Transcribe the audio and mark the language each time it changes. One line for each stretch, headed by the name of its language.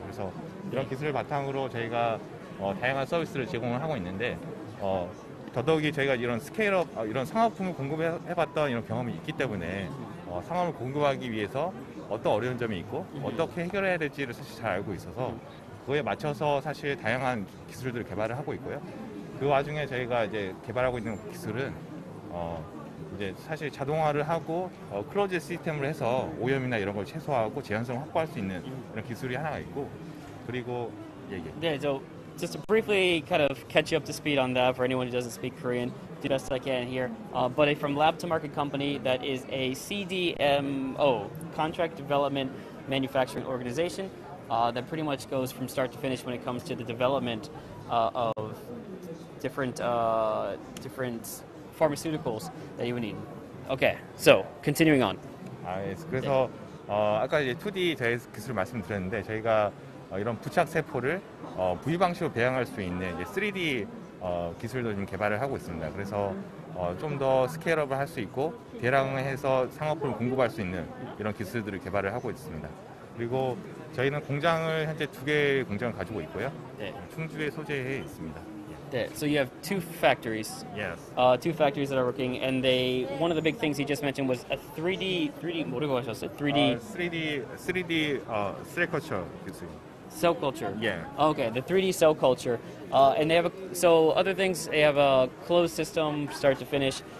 Korean: 그래서 이런 기술을 바탕으로 저희가 다양한 서비스를 제공을 하고 있는데 더더욱이 저희가 이런 스케일업 이런 상업품을 공급해봤던 이런 경험이 있기 때문에 상업을 공급하기 위해서 어떤 어려운 점이 있고 어떻게 해결해야 될지를 사실 잘 알고 있어서 그에 맞춰서 사실 다양한 기술들을 개발을 하고 있고요. 그 와중에 저희가 이제 개발하고 있는 기술은 이제 사실 자동화를 하고 클로즈 시스템을 해서 오염이나 이런 걸 최소화하고 재현성을 확보할 수 있는 이런 기술이 하나가 있고 그리고
English: 네, so just to briefly kind of catch you up to speed on that for anyone who doesn't speak Korean, do best I can here. But from lab to market company that is a CDMO, contract development manufacturing organization that pretty much goes from start to finish when it comes to the development of different pharmaceuticals that you would need. Okay, so continuing on.
Korean: 그래서 아까 이제 2D 저희 기술 말씀드렸는데 저희가 이런 부착 세포를 부위 방식으로 배양할 수 있는 이제 3D 기술도 지금 개발을 하고 있습니다. 그래서 좀 더 스케일업을 할 수 있고 대량해서 상업품을 공급할 수 있는 이런 기술들을 개발을 하고 있습니다. 그리고 저희는 공장을 현재 두 개의 공장을 가지고 있고요. 충주에 소재해 있습니다.
English: So you have two factories. Yes. Two factories that are working, and they one of the big things he just mentioned was a 3D 3D cell culture. Cell culture. Yeah. Okay, the 3D cell culture, and they have they have a closed system start to finish.